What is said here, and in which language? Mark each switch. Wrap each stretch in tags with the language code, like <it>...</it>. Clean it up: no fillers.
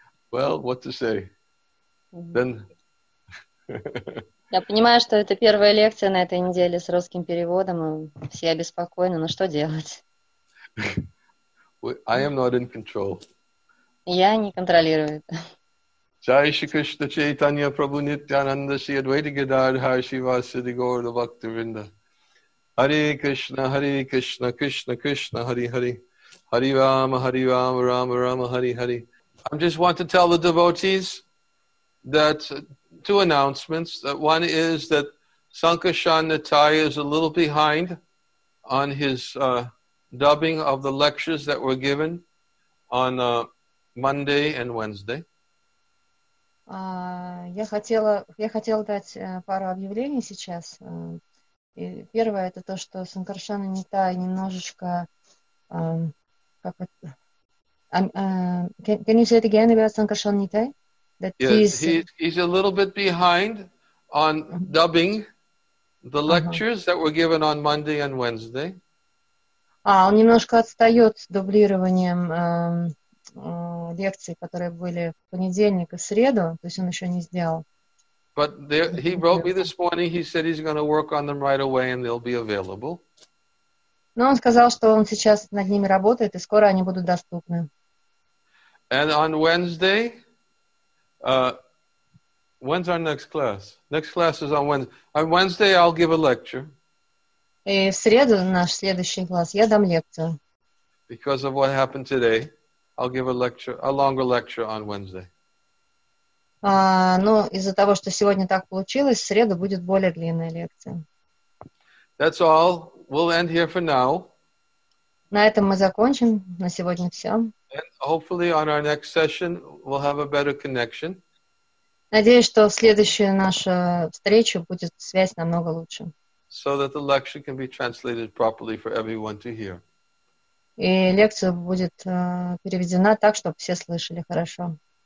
<en>Well, what to say? Mm-hmm. Then</en> <ru>Я понимаю, что это первая лекция на этой неделе с русским переводом, и все обеспокоены, но что делать?</ru> <en>I am not in control.</en> <ru>Я не контролирую это.</ru> <sa>Jai Shri Krishna Chaitanya Prabhu Nityananda Shri Advaita Gadadhara Shiva Siddhi Gaurava Bhaktivinoda. Hare Krishna, Krishna Krishna, Hare Hare. Hare Rama, Rama Rama, Hare Hare.</sa> <en>I just want to tell the devotees that two announcements. That one is that Sankarshan Natai is a little behind on his dubbing of the lectures that were given on Monday and Wednesday.</en> <ru>Я хотела дать пару объявлений сейчас. И первое это то, что Санкаршана Нитай немножечко.</ru> <en>Can you say it again about Sankarshan Nitai? He's a little bit behind on dubbing the lectures that were given on Monday and Wednesday.</en> <ru>Он немножко отстает с дублированием лекций, которые были в понедельник и среду, то есть он еще не сделал.</ru> <en>But there, he wrote me this morning, he said he's going to work on them right away and they'll be available.</en> <ru>Но он сказал, что он сейчас над ними работает и скоро они будут доступны.</ru> <en>And on Wednesday... when's our next class? Next class is on Wednesday. On Wednesday I'll give a lecture.</en> <ru>И в среду наш следующий класс, я дам лекцию.</ru> <en>Because of what happened today, I'll give a lecture, a longer lecture on Wednesday.</en> <ru>Ну, из-за того, что сегодня так получилось, в среду будет более длинная лекция.</ru> <en>That's all. We'll end here for now.</en> <ru>На этом мы закончим. На сегодня все.</ru> <en>And hopefully on our next session we'll have a better connection.</en> <ru>Надеюсь, что в следующую нашу встречу будет связь намного лучше.</ru> <en>So that the lecture can be translated properly for everyone to hear.</en> <ru>И лекция будет переведена так, чтобы все слышали хорошо.</ru>